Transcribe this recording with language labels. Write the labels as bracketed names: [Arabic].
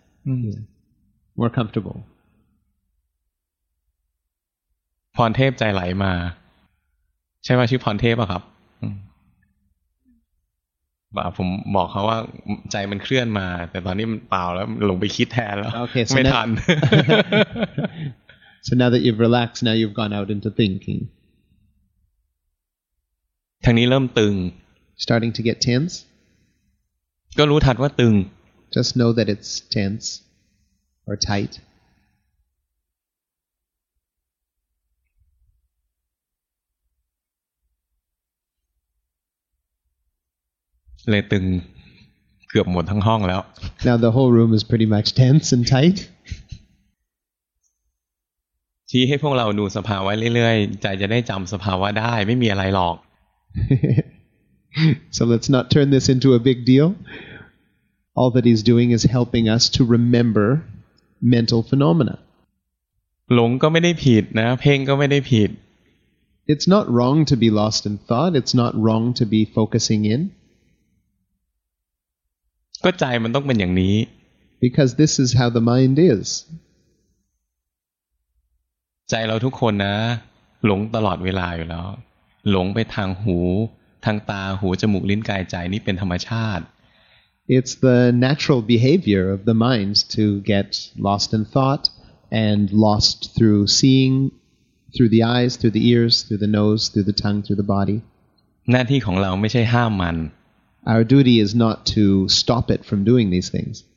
[English] mm-hmm. more comfortable [Thai] พรเทพใจไหลมาใช่ไหมชื่อพรเทพอ่ะครับบ่าผมบอกเขาว่าใจมันเคลื่อนมาแต่ตอนนี้มันเปล่าแล้วหลงไปคิดแทนแล้ว [English] okay, so [Thai] ไม่ทัน [English] so now that you've relaxed now you've gone out into thinking [Thai] ทางนี้เริ่มตึง [English] starting to get tense [Thai] ก็รู้ทันว่าตึง [English] just know that it's tense or tight [Thai] เลยตึงเกือบหมดทั้งห้องแล้ว [English] Now the whole room is pretty much tense and tight [Thai] ชี้ให้พวกเราดูสภาวะเรื่อยๆใจจะได้จำสภาวะได้ไม่มีอะไรหรอก [English] So let's not turn this into a big deal All that he's doing is helping us to remember mental phenomena [Thai] หลงก็ไม่ได้ผิดนะเพ่งก็ไม่ได้ผิด [English] It's not wrong to be lost in thought It's not wrong to be focusing in [Thai] ก็ใจมันต้องเป็นอย่างนี้ [English] because this is how the mind is [Thai] ใจเราทุกคนนะหลงตลอดเวลาอยู่แล้วหลงไปทางหูทางตาหูจมูกลิ้นกายใจนี่เป็นธรรมชาติ [English] it's the natural behavior of the mind to get lost in thought and lost through seeing through the eyes through the ears through the nose through the tongue through the body [Thai] หน้าที่ของเราไม่ใช่ห้ามมัน [English] Our duty is not to stop it from doing these things.